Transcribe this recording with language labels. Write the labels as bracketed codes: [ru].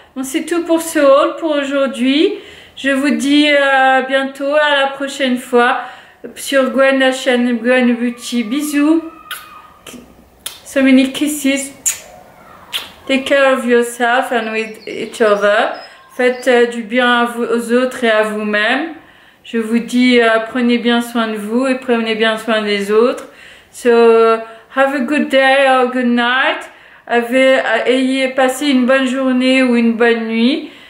[fr] Bon, c'est tout pour ce haul pour aujourd'hui. Je vous dis à bientôt, à la prochaine fois sur Gwen, la chaîne Gwen Beauty. Bisous. [en] So many kisses. Take care of yourself and with each other. [fr] Faites du bien à vous, aux autres et à vous-même. Je vous dis prenez bien soin de vous et prenez bien soin des autres. [en] So have a good day or good night. [fr] Ayez passé une bonne journée ou une bonne nuit.